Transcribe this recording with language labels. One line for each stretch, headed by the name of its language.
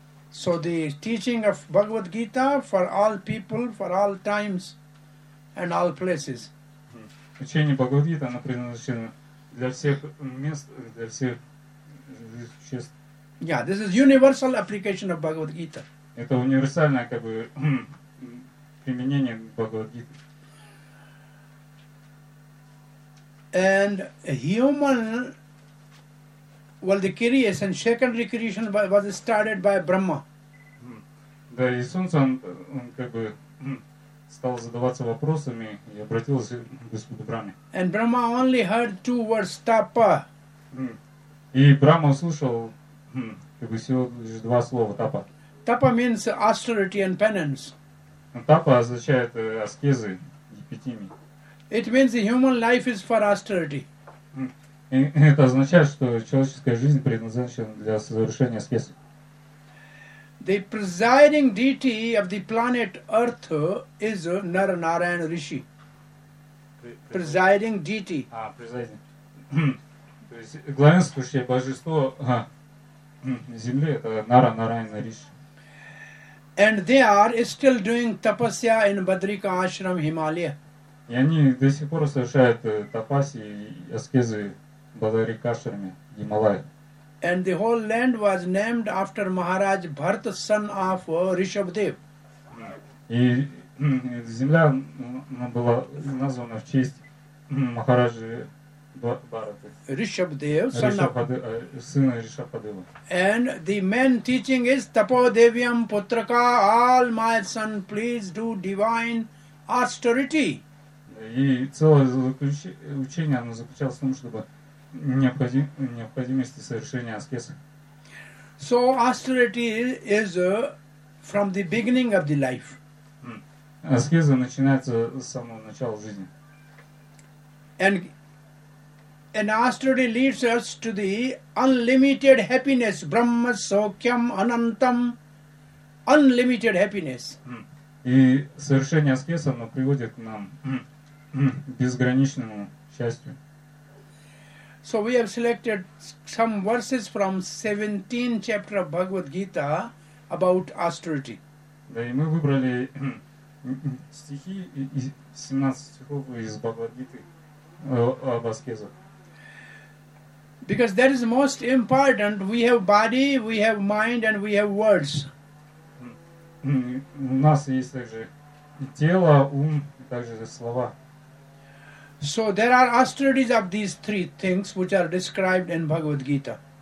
English: So the teaching of Bhagavad Gita for all people, for all times, and all places.
Russian: Учение Бхагавад Гиты, оно предназначено для всех мест, для всех существ.
English: Yeah, this is universal application of Bhagavad Gita.
Russian: Это универсальное как бы применение Бхагавад Гиты.
English: And human. Well, the creation, secondary creation was started by Brahma.
Russian: Да, и солнце, он как бы стал задаваться вопросами и обратился к Господу Брахме.
English: And Brahma only heard two words, tapa.
Russian: И Брахма услышал как бы всего лишь два слова, tapa.
English: Tapa means austerity and penance.
Russian: Tapa означает аскезы, епитимии.
English: It means human life is for austerity.
Russian: И это означает, что человеческая жизнь предназначена для совершения аскез.
English: The presiding deity of the planet Earth is Nar-Narayan Rishi. Presiding deity.
Russian: То есть главенствующее божество земле, это Нара Нарайана Риши.
English: And they are still doing tapasya in Badrika Ashram, Himalaya.
Russian: И они до сих пор совершают тапаси и аскезы в Бадрика Ашраме, Гималайи.
English: And the whole land was named after Maharaj Bharata, son of Rishabhdev.
Russian: И земля была названа в честь Махараджи Бхараты.
English: Rishabhdev,
Russian: сын Ришабхадева.
English: And the main teaching is
Sanskrit: Tapo Devyam Putraka,
English: all my son, please do divine austerity.
Russian: И целое учение оно заключалось в том, чтобы необходимости совершения аскезы.
English: So austerity is from the beginning of the life.
Russian: Аскеза начинается с самого начала жизни.
English: And austerity leads us to the unlimited happiness,
Sanskrit: Brahma Sokhyam Anantam,
English: unlimited happiness.
Russian: И совершение аскезы оно приводит к нам безграничному счастью.
English: So we have selected some verses from 17th chapter of Bhagavad Gita about austerity.
Russian: Да, и мы выбрали стихи из 17 стихов из Бхагавад Гиты об аскезах.
English: Because that is most important. We have body, we have mind, and we have words.
Russian: У нас есть также тело, ум, также слова.
English: So there are austerities of these three things which are described in Bhagavad Gita.